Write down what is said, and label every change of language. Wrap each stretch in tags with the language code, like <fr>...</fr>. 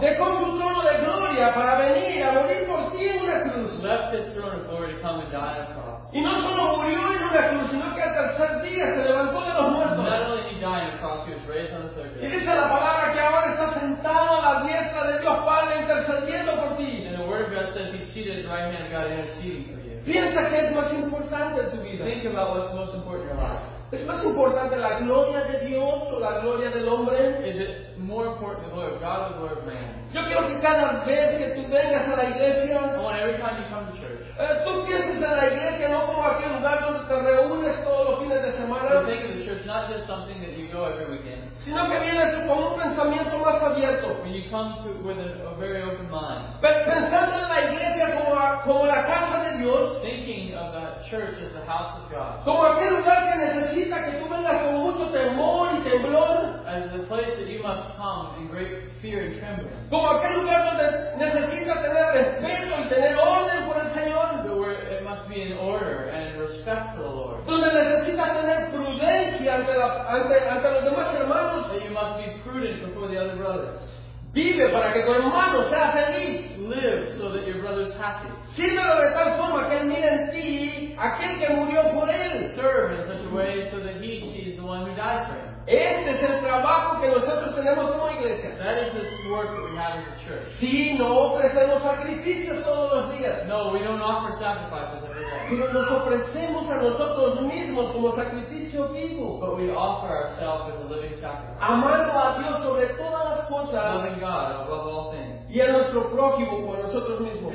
<es>Dejó su trono de gloria para venir a morir por ti en una cruz.</es> <en>Left His throne of glory to come and die on the cross.</en> <es>Y no solo murió en una cruz, sino que al tercer día se levantó de los muertos.</es> <en>Not only did he die on the cross, he was raised on the third day.</en> <es>Y dice la palabra que ahora está sentado a la diestra de Dios Padre intercediendo por ti.</es> <en>And the word of God says he's seated at the right hand of God interceding for you.</en> <es>Piensa que es más importante en tu vida.</es> <en>Think about what's most important in your life.</en> <es>¿Es más importante la gloria de Dios o la gloria del hombre?</es> <en>Is it more important the glory of God or the glory of man?</en> <es>Yo quiero que cada vez que tú vengas a la iglesia,</es> <en>every time you come to church,</en> <es>tú pienses en la iglesia no como aquel lugar donde te reúnes todos los fines de semana,</es> <en>you think of the church not just something that you go every weekend,</en> <es>sino que vienes con un pensamiento más abierto,</es> <en>when you come to with a very open mind,</en> <es>pensando en la iglesia como la casa de Dios,</es> <en>thinking of the church as the house of God,</en> <es>como aquel lugar que necesita que tú vengas con mucho temor y temblor,</es> <en>as the place that you must come in great fear and trembling,</en> <es>como aquel lugar donde necesita tener respeto y tener orden por el Señor,</es> <en>where it must be in order and respect for the Lord.</en> <es>Donde necesitas tener prudencia ante los demás hermanos.</es> <en>That you must be prudent before the other brothers.</en> <es>Vive para que tu hermano sea feliz.</es> <en>Live so that your brother is happy.</en> <es>Sírvelo de tal forma que él mire en ti aquel que murió por él.</es> <en>Serve in such a way so that he sees the one who died for him.</en> <es>Este es el trabajo que nosotros tenemos como iglesia.</es> <en>That is the work that we have as a church.</en> <es>Si no ofrecemos sacrificios todos los días.</es> <en>No, we don't offer sacrifices every day.</en> <es>Pero nos ofrecemos a nosotros mismos como sacrificio vivo.</es> <en>But we offer ourselves as a living sacrifice.</en> <es>Amando a Dios sobre todas las cosas.</es> <en>Loving God above all things.</en> <es>Y a nuestro prójimo como nosotros mismos.</es>